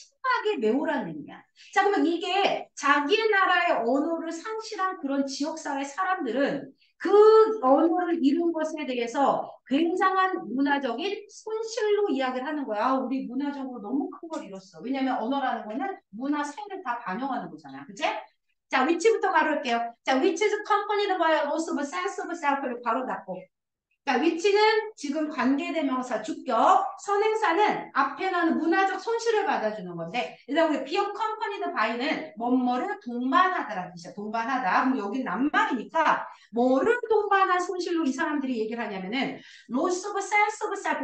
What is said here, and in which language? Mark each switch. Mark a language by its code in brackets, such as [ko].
[ko] 심하게 매우라는 의미야. 자, 그러면 이게 자기 나라의 언어를 상실한 그런 지역사회 사람들은 그 언어를 잃은 것에 대해서 굉장한 문화적인 손실로 이야기를 하는 거야. 아, 우리 문화적으로 너무 큰걸 잃었어. 왜냐면 언어라는 거는 문화 생을 다 반영하는 거잖아. 그치? 자, 위치부터 가볼게요. [en] 자, which is accompanied by a loss of a sense of self를 [ko] 바로 닫고. 자, which는 지금 관계대명사 주격, 선행사는 앞에 나는 문화적 손실을 받아주는 건데, 일단 우리 be accompanied by는 뭐뭐를 동반하다라는 뜻이야. 동반하다. 그럼 여기 낱말이니까 뭐를 동반한 손실로 이 사람들이 얘기를 하냐면은 [en] loss of a sense of self.